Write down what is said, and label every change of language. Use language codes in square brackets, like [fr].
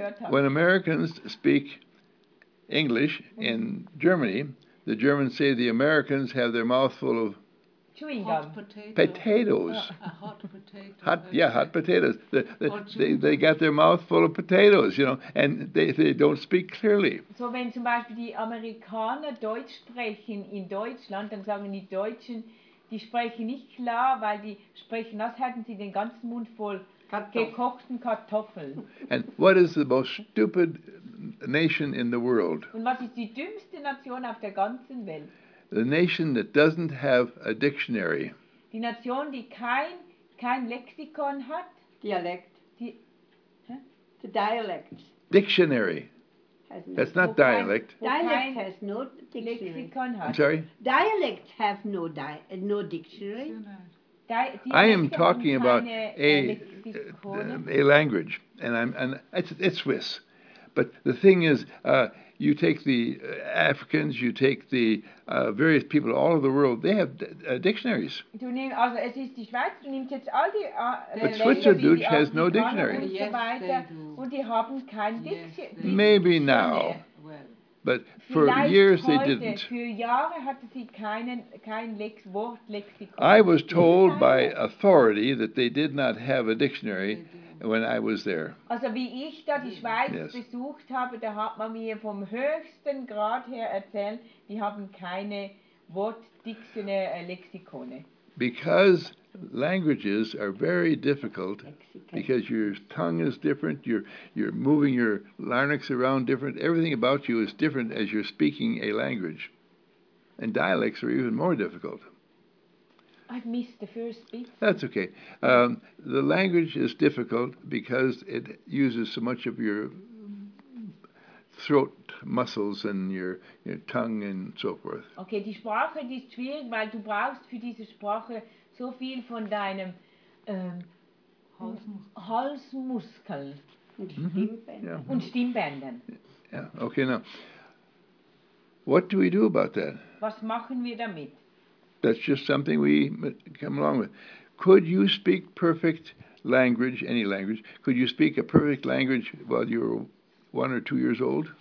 [en] when Americans speak English in Germany, the Germans say the Americans have their mouth full of chewing gum. Potatoes. Hot potatoes. Yeah, hot potatoes. They got their mouth full of potatoes, you know, and they don't speak clearly. So when, [de] zum Beispiel, die Amerikaner Deutsch sprechen in Deutschland, dann sagen die Deutschen, die sprechen nicht klar, weil die sprechen, als hätten sie den ganzen Mund voll gekochten Kartoffeln. [en] And what is the most stupid nation in the world? [de] Und was ist die dümmste Nation auf der ganzen Welt? [en] The nation that doesn't have a dictionary. [de] Die Nation, die kein Lexikon hat. Dialekt. [en] The dialect. Dictionary. That's not dialect. Dialect has no dictionary. I'm sorry? Dialects have no dictionary. I am talking about a language, and it's Swiss. But the thing is, you take the Africans, you take the various people all over the world, they have dictionaries. [de] Du nehm, also es ist die Schweiz, du nimmst jetzt all die [en] But Switzerdeutsch has no dictionary. [de] Und so weiter, [en] yes, [de] und die haben kein [en] Maybe now. But for [de] Vielleicht [en] years [de] heute, [en] they didn't. [de] Für Jahre hatte sie kein Wortlexikon. [en] I was told by authority that they did not have a dictionary when I was there. [de] Also wie ich da die Schweiz [en] yes. [de] besucht habe, da hat man mir vom höchsten Grad her erzählt, die haben keine Wortdictionary-Lexikone. [en] Because languages are very difficult because your tongue is different, you're moving your larynx around different, everything about you is different as you're speaking a language. And dialects are even more difficult. I've missed the first bit. That's okay. The language is difficult because it uses so much of your throat muscles and your tongue and so forth. [de] Okay, die Sprache die ist schwierig, weil du brauchst für diese Sprache so viel von deinem Halsmuskel und Stimmbändern. [en] Yeah. Okay, now, what do we do about that? [de] Was machen wir damit? [en] That's just something we come along with. Could you speak perfect language, any language, could you speak a perfect language while you're 1 or 2 years old?